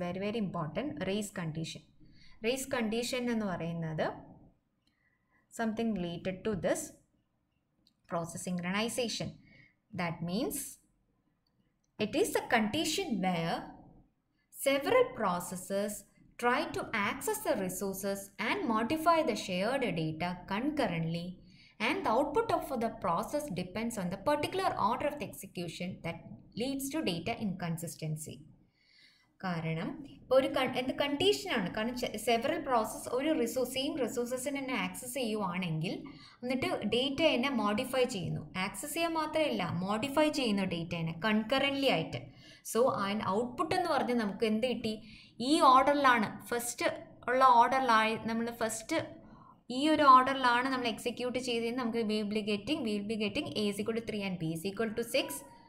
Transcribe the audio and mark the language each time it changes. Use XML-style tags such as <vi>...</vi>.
<en>Very very important race condition. Race condition</en> <ml>എന്ന് പറയുന്നത്</ml> <en>Something related to this process synchronization. That means it is a condition where several processes try to access the resources and modify the shared data concurrently. And the output of the process depends on the particular order of the execution that leads to data inconsistency.</en> <ml>കാരണം ഇപ്പോൾ ഒരു എന്ത് കണ്ടീഷനാണ്, കാരണം several process ഒരു resource same റിസോഴ്സസിനെ തന്നെ access ചെയ്യുവാണെങ്കിൽ എന്നിട്ട് ഡേറ്റ എന്നെ മോഡിഫൈ ചെയ്യുന്നു, ആക്സസ് ചെയ്യാൻ മാത്രമല്ല മോഡിഫൈ ചെയ്യുന്നു ഡേറ്റ എന്നെ കൺകറൻ്റ്ലി ആയിട്ട്. സോ അതിൻ്റെ ഔട്ട്പുട്ട് എന്ന് പറഞ്ഞാൽ നമുക്ക് എന്ത് കിട്ടി, ഈ ഓർഡറിലാണ് ഫസ്റ്റ് ഉള്ള ഓർഡറിലായി നമ്മൾ ഫസ്റ്റ് ഈ ഒരു ഓർഡറിലാണ് നമ്മൾ എക്സിക്യൂട്ട് ചെയ്തതെന്ന് നമുക്ക്</ml> <en>Will be getting a is equal to 3 and b is equal to 6.</en>